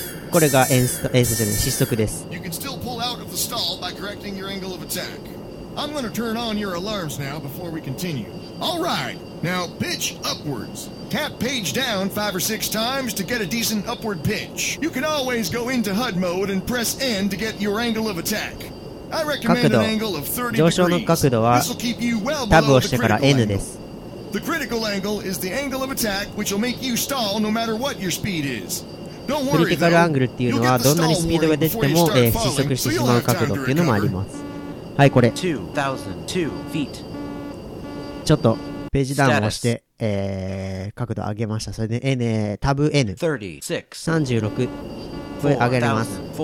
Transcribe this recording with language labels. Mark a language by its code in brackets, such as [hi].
[ja] これがエンスト、エンストじゃない、失速です。 [en] You can still pull out of the stall by correcting your angle of attack. I'm gonna turn on your alarms now before we continue. All right, now pitch upwards. Tap page down 5 or 6 times to get a decent upward pitch. You can always go into HUD mode and press N to get your angle of attack. [ja] 角度、上昇の角度はタブを押してから N です。 [en] The critical angle is the angle of attack which will make you stall no matter what your speed is. Don't worry, [ja] クリティカルアングルっていうのはどんなにスピードが出ても、失速してしまう角度っていうのもあります。はい、これちょっとページダウンを押して、角度上げました。それで N、タブ N 36これ上げれます。